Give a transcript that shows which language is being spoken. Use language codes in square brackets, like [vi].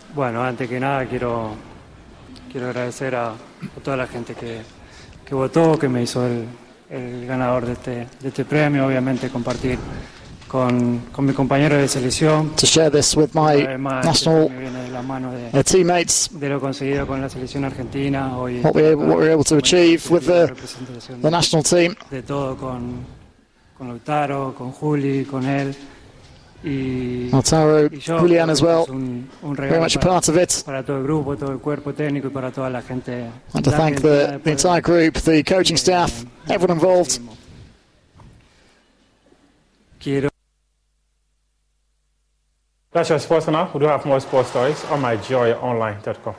[es] Bueno, antes que nada, quiero agradecer a toda la gente que votó, que me hizo el ganador de este premio, obviamente compartir. [en] To share this with my national teammates, what we were able to achieve with the national team. [es] De todo con Lautaro, con Juli, con él. [en] Lautaro, Julian as well, very much a part of it. And to thank the entire group, the coaching staff, everyone involved. That's your sports now. We do have more sports stories on myjoyonline.com.